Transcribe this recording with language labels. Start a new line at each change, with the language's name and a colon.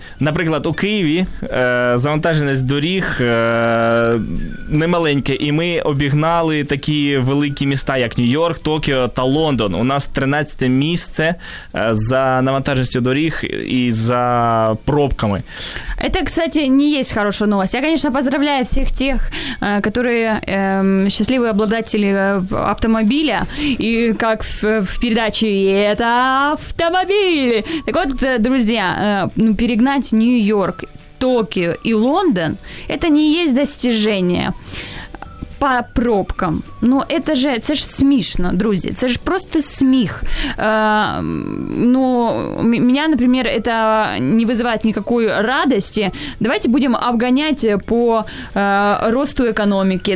Ukrainian: Наприклад, у Києві завантаженість доріг немаленьке, і ми обігнали такі великі міста, як Нью-Йорк, Токіо та Лондон. У нас 13-те місце за навантаженістю доріг і за пробками.
Russian: Это, кстати, не есть хорошая новость. Я, конечно, поздравляю всех тех, которые счастливые обладатели автомобиля, и как в передаче «Это автомобиль!». Так вот, друзья, ну, перегнать Нью-Йорк, Токио и Лондон – это не есть достижение по пробкам.
Ukrainian: Ну, це ж смішно, друзі. Це ж просто сміх. Ну, мене, наприклад, це не викликає ніякої радості. Давайте будемо обганяти по росту економіки.